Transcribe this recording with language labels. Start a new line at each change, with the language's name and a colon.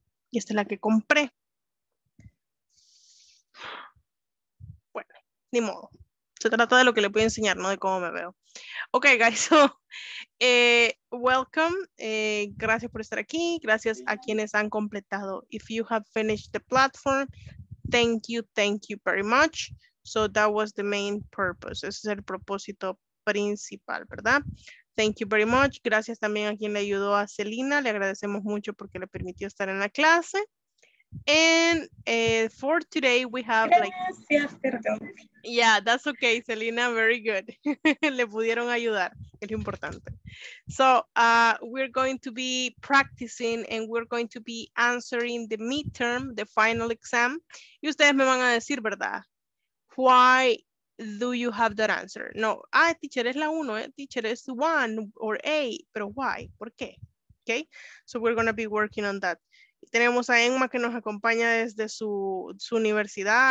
Spanish: Y esta es la que compré. Bueno, ni modo. Se trata de lo que le voy a enseñar, no de cómo me veo.
English: Ok, guys, so, welcome,
Spanish: gracias por estar aquí, gracias a quienes han completado.
English: If you have finished the platform, thank you very much. So that was the main purpose,
Spanish: ese es el propósito principal, ¿verdad?
English: Thank you very much,
Spanish: gracias también a quien le ayudó a Celina, le agradecemos mucho porque le permitió estar en la clase.
English: And for today we have
Spanish: gracias, perdón.
English: Yeah, that's okay, Selena, very good.
Spanish: Le pudieron ayudar, es lo importante.
English: So we're going to be practicing and we're going to be answering the midterm, the final exam.
Spanish: Y ustedes me van a decir, ¿verdad?
English: Why do you have that answer?
Spanish: No, ah, teacher es la uno, teacher es
English: one or A,
Spanish: pero why, ¿por qué?
English: Okay, so we're going to be working on that.
Spanish: Tenemos a Emma que nos acompaña desde su universidad.